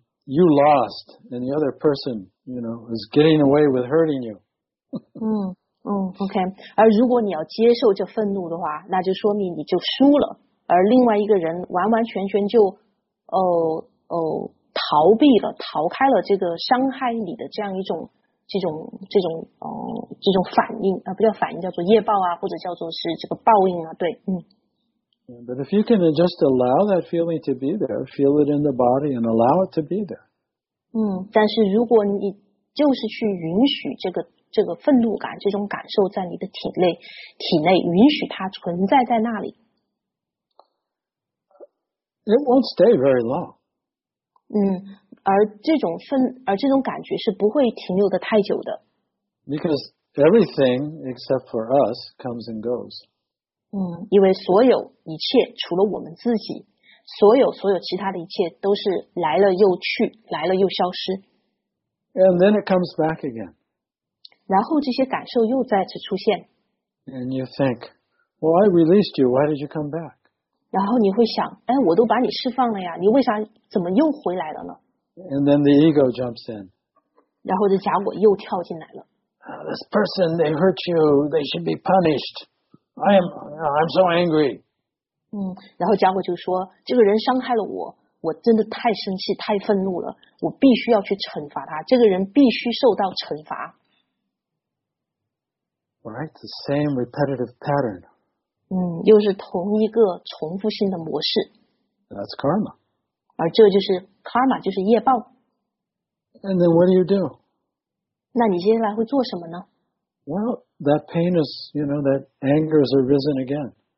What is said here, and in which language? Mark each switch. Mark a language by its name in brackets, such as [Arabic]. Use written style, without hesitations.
[English] You lost, and the other person, you know, is getting away with hurting you. Okay. [Chinese] 而如果你要接受这愤怒的话，那就说明你就输了，而另外一个人完完全全就逃避了，逃开了这个伤害你的这样一种这种反应啊，不叫反应，叫做业报啊，或者叫做是这个报应啊，对， [English] But if you can just allow that feeling to be there, feel it in the body and allow it to be there. [Chinese] 但是如果你就是去允许这个愤怒感这种感受在你的体内允许它存在在那里。 [English] It won't stay very long. [Chinese] 而这种感觉是不会停留的太久的。 [English] Because everything except for us comes and goes. [Chinese] 因为所有一切除了我们自己，所有其他的一切都是来了又去，来了又消失。 [English] And then it comes back again. [Chinese] 然后这些感受又再次出现。 [English] And you think, well, I released you, why did you come back? [Chinese] 然后你会想，我都把你释放了呀，你为啥怎么又回来了呢？ [English] And then the ego jumps in. [Chinese] 然后这假我又跳进来了。 [English] This person, they hurt you, they should be punished. I'm so angry. [Chinese] 然后家伙就说，这个人伤害了我，我真的太生气，太愤怒了，我必须要去惩罚他，这个人必须受到惩罚。 [English] Right, the same repetitive pattern. [Chinese] 又是同一个重复性的模式。 [English] That's karma. [Chinese] 而这就是 karma, 就是业报。 [English] And then what do you do? [Chinese] 那你接下来会做什么呢？ [English] Well, that pain is, you know, that anger has arisen again.